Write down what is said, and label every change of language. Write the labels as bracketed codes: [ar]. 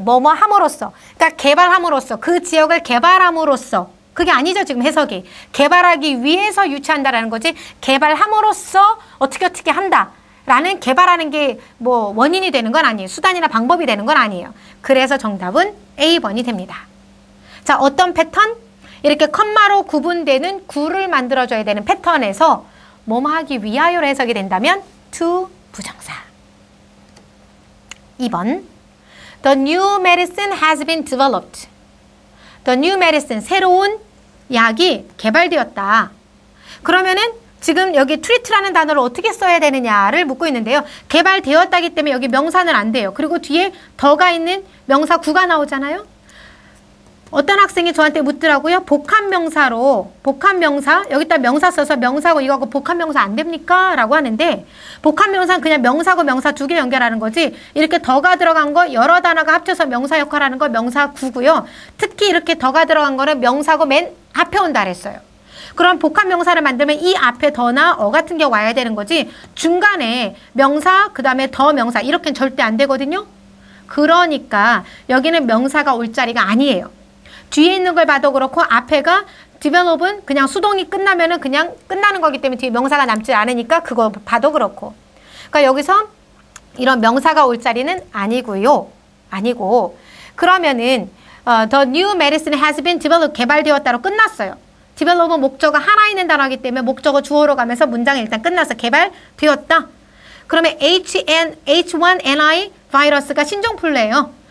[ko] 뭐뭐 함으로써 그러니까 개발함으로써 그 지역을 개발함으로써 그게 아니죠 지금 해석이 개발하기 위해서 유치한다라는 거지 개발함으로써 어떻게 한다라는 개발하는 게 뭐 원인이 되는 건 아니에요. 수단이나 방법이 되는 건 아니에요. 그래서 정답은 A번이 됩니다. 자, 어떤 패턴? 이렇게 콤마로 구분되는 구를 만들어줘야 되는 패턴에서 뭐뭐하기 위하여로 해석이 된다면 to 부정사. [en] 2번 The new medicine has been developed. The new medicine, [ko] 새로운 약이 개발되었다. 그러면은 지금 여기 트리트라는 단어를 어떻게 써야 되느냐를 묻고 있는데요. 개발되었다기 때문에 여기 명사는 안 돼요. 그리고 뒤에 더가 있는 명사 구가 나오잖아요. 어떤 학생이 저한테 묻더라고요. 복합명사로, 복합명사, 여기다 명사 써서 명사고 이거하고 복합명사 안 됩니까? 라고 하는데, 복합명사는 그냥 명사고 명사 두 개 연결하는 거지, 이렇게 더가 들어간 거, 여러 단어가 합쳐서 명사 역할하는 거 명사구고요. 특히 이렇게 더가 들어간 거는 명사고 맨 앞에 온다 그랬어요. 그럼 복합명사를 만들면 이 앞에 더나 어 같은 게 와야 되는 거지, 중간에 명사, 그 다음에 더 명사, 이렇게는 절대 안 되거든요. 그러니까 여기는 명사가 올 자리가 아니에요. 뒤에 있는 걸 봐도 그렇고 앞에가 develop은 그냥 수동이 끝나면은 그냥 끝나는 거기 때문에 뒤에 명사가 남지 않으니까 그거 봐도 그렇고. 그러니까 여기서 이런 명사가 올 자리는 아니고요. 아니고 그러면은 [en] the new medicine has been developed, [ko] 개발되었다로 끝났어요. develop은 목적어 하나 있는 단어이기 때문에 목적어 주어로 가면서 문장이 일단 끝나서 개발되었다. 그러면 H1NI 바이러스가 신종플루예요.